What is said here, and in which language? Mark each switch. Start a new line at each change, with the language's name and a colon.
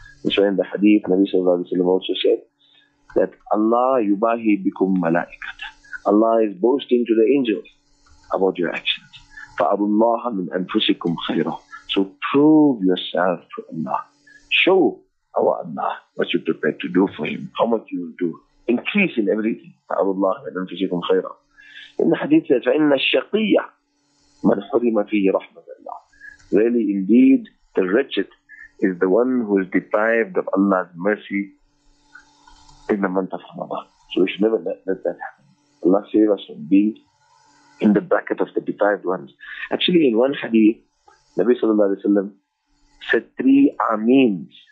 English: And so in the hadith, Nabi Sallallahu Alaihi Wasallam also said that Allah yubahi bikum malaikata. Allah is boasting to the angels about your actions.
Arabic: فَأَبُوا اللَّهَ مِنْ أَنْفُسِكُمْ خَيْرًا.
English: So prove yourself to Allah. Show our Allah what you prepared to do for him, how much you will do. Increase in everything. Allah in the hadith says,
Arabic: فَإِنَّ الشَّقِيَّ مَنْ حُرِمَ فِيهِ رَحْمَةَ اللَّهِ.
English: Really, indeed, the wretched is the one who is deprived of Allah's mercy in the month of Ramadan. So we should never let that happen. Allah save us from being in the bracket of the deprived ones. Actually, in one hadith, Nabi Sallallahu Alaihi Wasallam said three ameens.